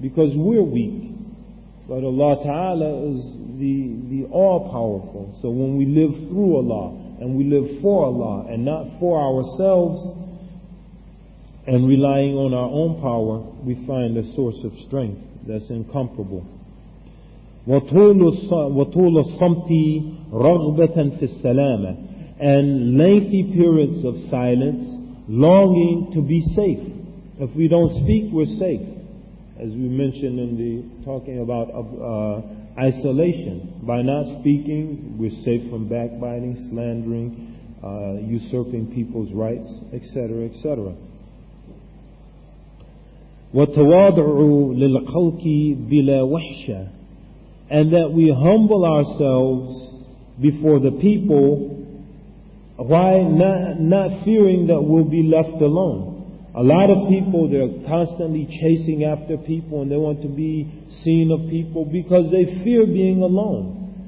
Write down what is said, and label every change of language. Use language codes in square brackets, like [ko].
[en] Because we're weak. But Allah Ta'ala is the all-powerful. So when we live through Allah and we live for Allah and not for ourselves and relying on our own power, we find a source of strength that's incomparable. [ar] وطول الصمت رغبة في السلامة. [en] And lengthy periods of silence, longing to be safe. If we don't speak, we're safe. As we mentioned in the talking about isolation. By not speaking, we're safe from backbiting, slandering, usurping people's rights, etc., etc. [ar] والتواضع للخلق بلا وحشة. [en] And that we humble ourselves before the people, why not fearing that we'll be left alone. A lot of people, they're constantly chasing after people and they want to be seen of people because they fear being alone.